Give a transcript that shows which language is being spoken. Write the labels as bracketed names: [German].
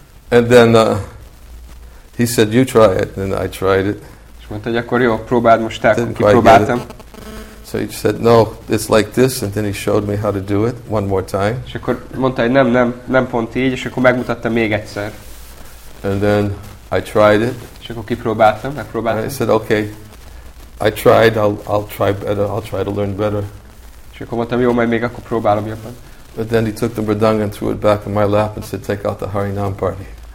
[English] And then he said, you try it, and I tried it. [Hungarian] És mondta, hogy akkor jó, próbáld most el, kipróbáltam. [English] So he said, no, it's like this, and then he showed me how to do it one more time. [Hungarian] És akkor mondta, hogy nem pont így, és akkor megmutatta még egyszer. [English] And then I tried it. [Hungarian] És akkor kipróbáltam, megpróbáltam. [English] And I said, okay, I tried, I'll try to learn better. [Hungarian] És akkor mondtam, jó, majd még akkor próbálom jobban. [English] But then he took the mridanga and threw it back in my lap and said, take out the Harinam party.